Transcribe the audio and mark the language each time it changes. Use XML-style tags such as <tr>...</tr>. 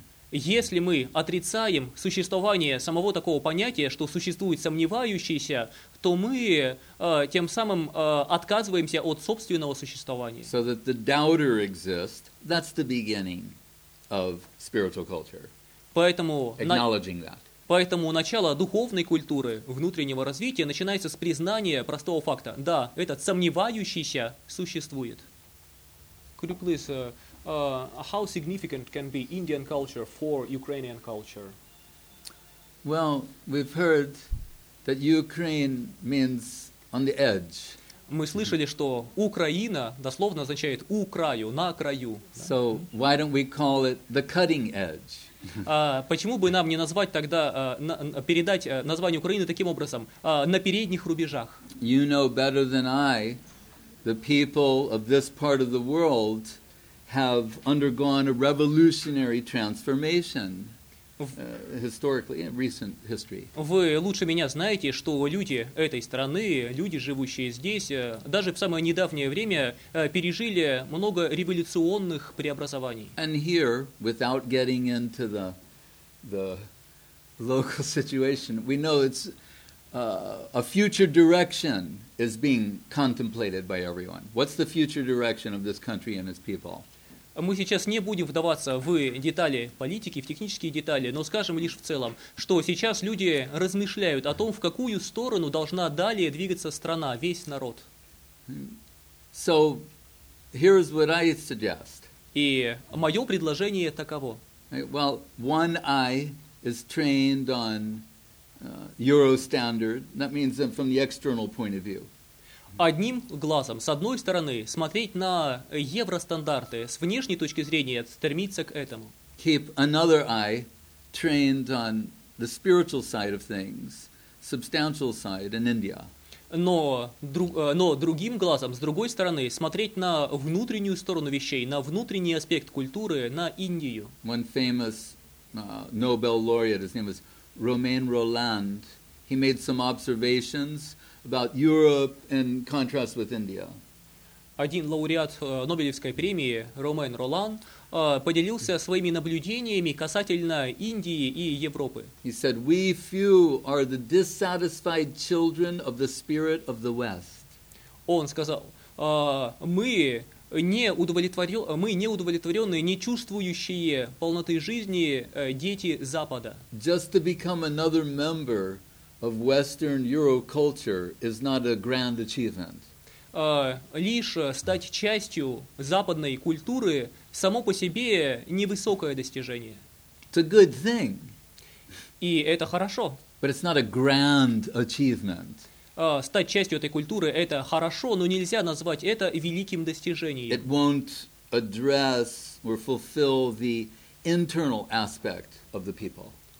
<ru>если мы отрицаем существование самого такого понятия, что существует сомневающийся, то мы тем самым отказываемся от собственного существования.</ru> <en>So that the doubter exists, that's the beginning. Of spiritual culture,</en> <ru>поэтому,</ru> <en>acknowledging that.</en> <ru>Поэтому начало духовной культуры, внутреннего развития начинается с признания простого факта. Да, этот сомневающийся существует.</ru> <en>Could you please, how significant can be Indian culture for Ukrainian culture? Well, we've heard that Ukraine means on the edge.</en> <ru>Мы слышали, что Украина дословно означает «у краю», «на краю».</ru> <en>So why don't we call it the cutting edge?</en> <ru>Почему бы нам не назвать тогда, передать название Украины таким образом, «на передних рубежах»?</ru> <en>You know better than I, the people of this part of the world have undergone a revolutionary transformation. Historically, in recent history.</en> <ru>Вы лучше меня знаете, что люди этой страны, люди, живущие здесь, даже в самое недавнее время пережили много революционных преобразований.</ru> <en>And here, without getting into the local situation, we know it's a future direction is being contemplated by everyone. What's the future direction of this country and its people?</en> <ru>Мы сейчас не будем вдаваться в детали политики, в технические детали, но скажем лишь в целом, что сейчас люди размышляют о том, в какую сторону должна далее двигаться страна, весь народ.</ru> <en>So, here is what I suggest.</en> <ru>И мое предложение таково.</ru> <en>Well, one eye is trained on Euro standard, that means from the external point of view.</en> <ru>Одним глазом, с одной стороны, смотреть на евростандарты, с внешней точки зрения стремиться к этому.</ru> <en>Keep another eye trained on the spiritual side of things, substantial side in India.</en> <ru>Но другим глазом, с другой стороны, смотреть на внутреннюю сторону вещей, на внутренний аспект культуры, на Индию.</ru> <en>One famous Nobel laureate, his name was Romain Rolland, he made some observations about Europe in contrast with India.</en> <ru>Один лауреат Нобелевской премии Ромен Ролан поделился своими наблюдениями касательно Индии и Европы.</ru> <en>He said, "We few are the dissatisfied children of the spirit of the West."</en> <ru>Он сказал, мы неудовлетворенные, не чувствующие полноты жизни дети Запада.</ru> <en>Just to become another member of Western Euro culture is not a grand achievement.</en> <ru>Лишь стать частью западной культуры само по себе невысокое достижение.</ru> <en>It's a good thing.</en> <ru>И это хорошо.</ru> <en>But it's not a grand achievement.</en> <ru>Стать частью этой культуры это хорошо, но нельзя назвать это великим достижением.</ru> <en>It won't address or fulfill the internal aspect of the people.</en>